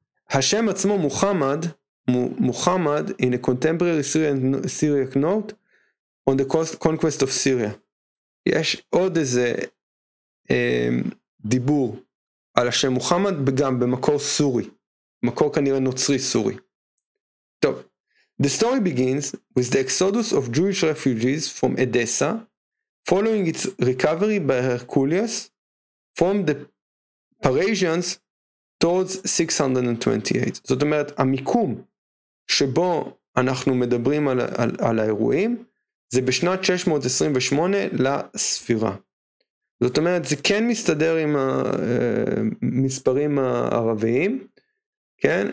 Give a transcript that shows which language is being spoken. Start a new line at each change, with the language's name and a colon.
Hebrew: השם עצמו מוחמד, מוחמד
English: in a contemporary Syriac note on the conquest of Syria.
Hebrew: יש עוד איזה דיבור על השם מוחמד, גם במקור סורי, מקור כנראה נוצרי סורי.
English: טוב, the story begins with the exodus of Jewish refugees from Edessa following its recovery by Herculius from the Parisians towards 628.
Hebrew: זאת אומרת, המיקום שבו אנחנו מדברים על האירועים זה בשנת 628 לספירה. זאת אומרת, זה כן מסתדר עם המספרים הערביים, כן?